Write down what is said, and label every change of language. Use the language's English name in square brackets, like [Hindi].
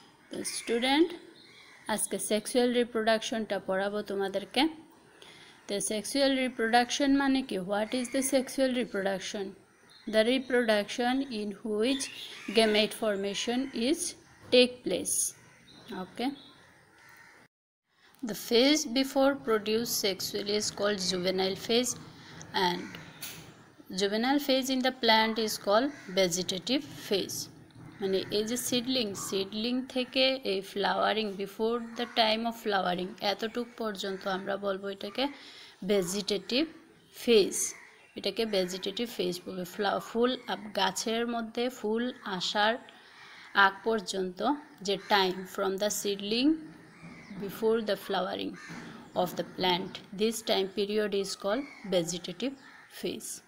[Bangla] তো স্টুডেন্ট, আজকে সেক্সুয়াল রিপ্রোডাকশনটা পড়াবো তোমাদেরকে। তো সেক্সুয়াল রিপ্রোডাকশন মানে কি, [English] What is the sexual reproduction? The reproduction in which gamete formation is take place. Okay, the phase before produce sexually is called juvenile phase, and juvenile phase in the plant is called vegetative phase. [Bangla] মানে এই যে seedling থেকে এই flowering, [English] before the time of flowering, [Bangla] এতটুক পর্যন্ত আমরা বলবো এটাকে ভেজিটেটিভ ফেজ। এটাকে ভেজিটেটিভ ফেজ বলবে। ফুল গাছের মধ্যে ফুল আসার আগ পর্যন্ত যে time, [English] From the seedling before the flowering of the plant, this time period is call vegetative phase.